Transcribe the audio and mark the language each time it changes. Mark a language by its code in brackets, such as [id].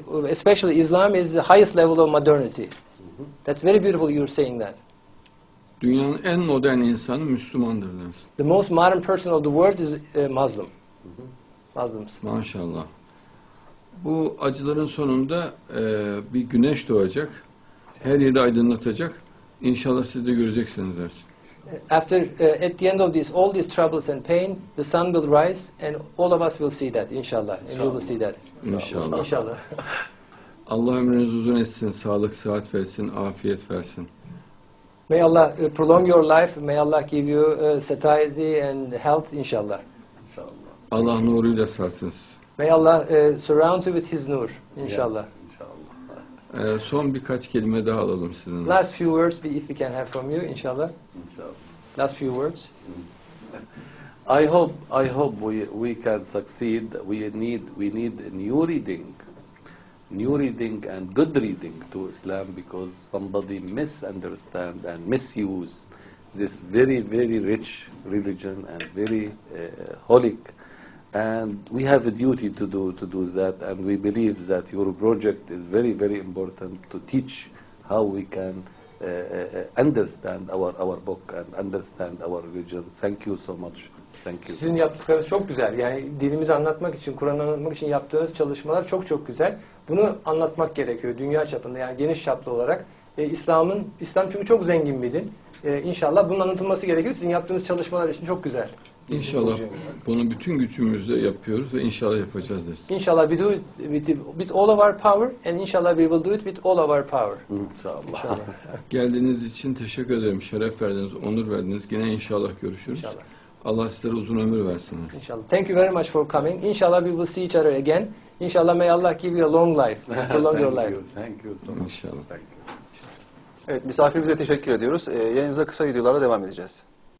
[en] Especially Islam is the highest level of modernity. That's very beautiful you're saying that. [tr] Dünyanın en modern insanı Müslümandır deriz. [en] The most modern person of the world is Muslim. Muslims. [tr] Maşallah. bu acıların sonunda bir güneş doğacak, her yeri aydınlatacak. İnşallah siz de göreceksiniz dersin. [en] After at the end of this all these troubles and pain, the sun will rise and all of us will see that. Inshallah, and you will see that. [tr] İnşallah. İnşallah. Allah ömrünüz uzun etsin, sağlık, sıhhat versin, afiyet versin. [en] May Allah prolong your life, may Allah give you satiety and health, inshallah. [tr] İnşallah. Allah nuruyla sarsın. [en] May Allah surround you with his nur, inshallah. [tr] İnşallah. Son birkaç kelime daha alalım sizin. [en] Last few words if we can have from you, inshallah. Last few words. I hope we can succeed. We need new reading and good reading to Islam, because somebody misunderstand and misuse this very, very rich religion and very holy. And we have a duty to do that. And we believe that your project is very, very important to teach how we can understand our book and understand our religion. Thank you so much. [tr] Sizin yaptıklarınız çok güzel. Yani dinimizi anlatmak için, Kur'an'ı anlatmak için yaptığınız çalışmalar çok çok güzel. Bunu anlatmak gerekiyor dünya çapında, yani geniş çaplı olarak. İslam çünkü çok zengin bir din. İnşallah bunun anlatılması gerekiyor. Sizin yaptığınız çalışmalar için çok güzel. İnşallah bunu bütün gücümüzle yapıyoruz ve inşallah yapacağız deriz. [en] İnşallah we do it with all of our power and inşallah we will do it with all of our power. [tr] İnşallah. Geldiğiniz için teşekkür ederim. Şeref verdiniz, onur verdiniz. Yine inşallah görüşürüz. İnşallah. Allah sizlere uzun ömür versin. [en] İnşallah. Thank you very much for coming. Inshallah we will see each other again. Inshallah may Allah give you a long life. Prolong your life. Thank you. Thank you so much. [tr] İnşallah. Evet, misafirimize teşekkür ediyoruz. Yayınımıza kısa videolarla devam edeceğiz.